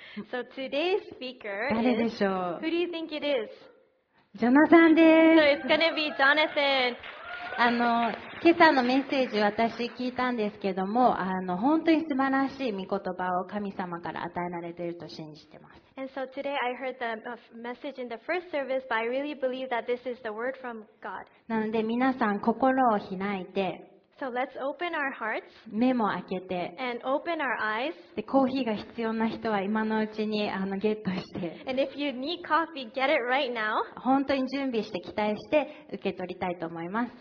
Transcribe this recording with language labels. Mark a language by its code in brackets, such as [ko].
[en] So today's speaker is [ja] 誰でしょう。 [en] Who do you think it is? [ja] ジョナサンです。 [en] So it's gonna be Jonathan. [ja] 今朝のメッセージ私聞いたんですけども、本当に素晴らしい御言葉を神様から与えられていると信じています。 [en] And so today I heard the message in the first service, but I really believe that this is the word from God. [ja] なので皆さん心を開いて、 [en] So let's open our hearts. [ja] 目も開けて、 [en] And open our eyes. [ja] で、コーヒーが必要な人は今のうちにゲットして、 [en] And if you need coffee, get it right now. [ja] 本当に準備して期待して受け取りたいと思います。